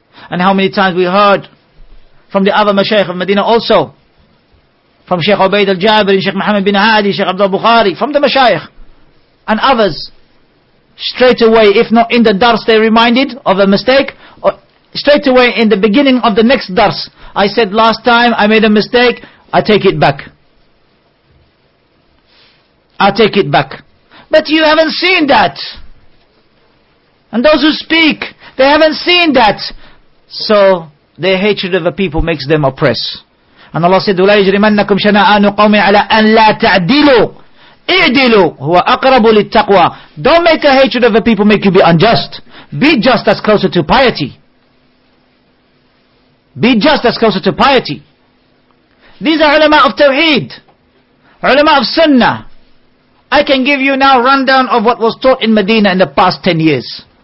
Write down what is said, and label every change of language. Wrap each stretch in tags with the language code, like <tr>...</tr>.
<en>And how many times we heard from the other Mashaykh of Medina also, from Shaykh Ubaid al-Jabir, Shaykh Muhammad bin Hadi, Shaykh Abdul Bukhari, from the Mashaykh, and others, straight away, if not in the dars, they're reminded of a mistake, or straight away in the beginning of the next dars, I said last time I made a mistake, I take it back. But you haven't seen that. And those who speak, they haven't seen that. So their hatred of the people makes them oppress. And Allah said,</en> <ar>وَلَا يَجْرِمَنَّكُمْ شَنَآنُ قَوْمٍ عَلَىٰ أَنْ لَا تَعْدِلُوا اِعْدِلُوا هُوَ أَقْرَبُ لِلتَّقْوَىٰ.</ar> <en>Don't make a hatred of the people make you be unjust. Be just as closer to piety. Be just as closer to piety. These are ulama of tawheed, ulama of sunnah. I can give you now rundown of what was taught in Medina in the past 10 years.</en>